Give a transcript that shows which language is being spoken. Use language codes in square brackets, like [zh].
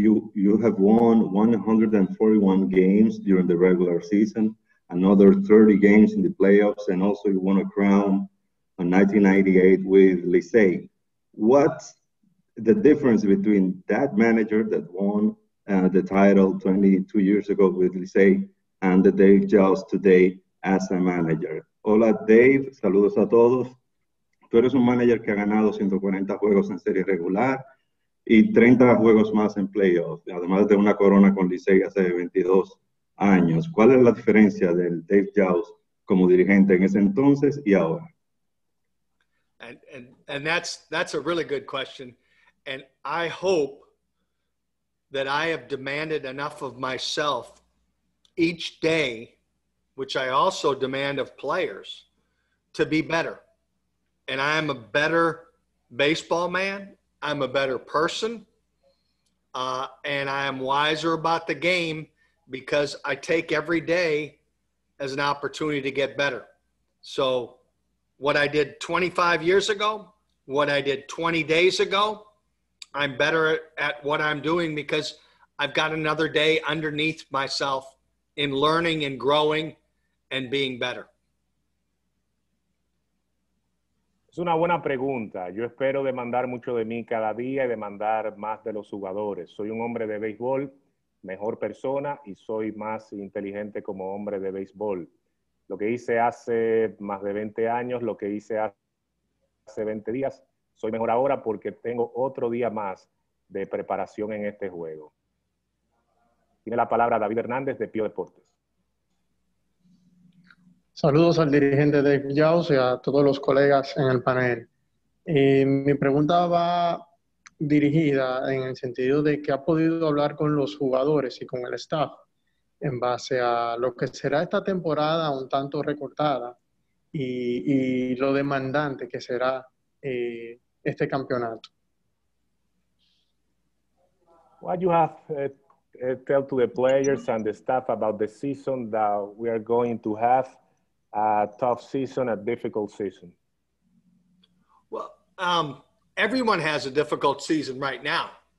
[en] You have won 141 games during the regular season, another 30 games in the playoffs, and also you won a crown in 1998 with Licey. What's the difference between that manager that won the title 22 years ago with Licey and the Dave Yauss today as a manager? [es] Hola, Dave. Saludos a todos. Tú eres un manager que ha ganado 140 juegos en serie regular y 30 juegos más en playoffs, además de una corona con Licey hace 22 años. ¿Cuál es la diferencia del Dave Jones como dirigente en ese entonces y ahora? [en] And that's a really good question. And I hope that I have demanded enough of myself each day, which I also demand of players, to be better. And I am a better baseball man. I'm a better person. And I am wiser about the game because I take every day as an opportunity to get better. So what I did 25 years ago, what I did 20 days ago, I'm better at what I'm doing because I've got another day underneath myself in learning and growing and being better. [es] Es una buena pregunta. Yo espero demandar mucho de mí cada día y demandar más de los jugadores. Soy un hombre de béisbol, mejor persona, y soy más inteligente como hombre de béisbol. Lo que hice hace más de 20 años, lo que hice hace 20 días, soy mejor ahora porque tengo otro día más de preparación en este juego. Tiene la palabra David Hernández de Pío Deportes. Saludos al dirigente Dave Jones y a todos los colegas en el panel. Y mi pregunta va dirigida en el sentido de que ha podido hablar con los jugadores y con el staff en base a lo que será esta temporada un tanto recortada y lo demandante que será este campeonato. [en] What you have tell to the players and the staff about the season that we are going to have? A tough season, a difficult season? Well, everyone has a difficult season right now.